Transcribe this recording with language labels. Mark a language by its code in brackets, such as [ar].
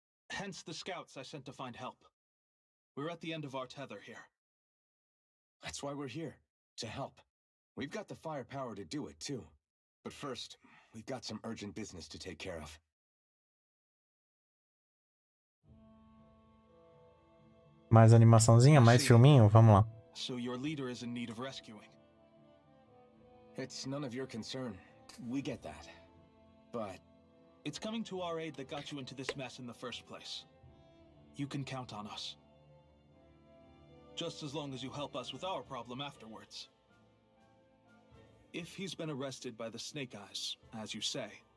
[en] Hence the scouts I sent to find help. We're at the end of our tether here. That's why we're here. To help. We've got the firepower to do it, too. But first, we've got some urgent business to take care of. [pt] Mais animaçãozinha, mais filminho, vamos lá. [en] So your leader is in need of rescuing. It's none of your concern. We get that. But it's coming to our aid that got you into this mess in the first place. You can count on us. Just as long as you help us with our problem afterwards. If he's been arrested by the Snake Eyes, as you say,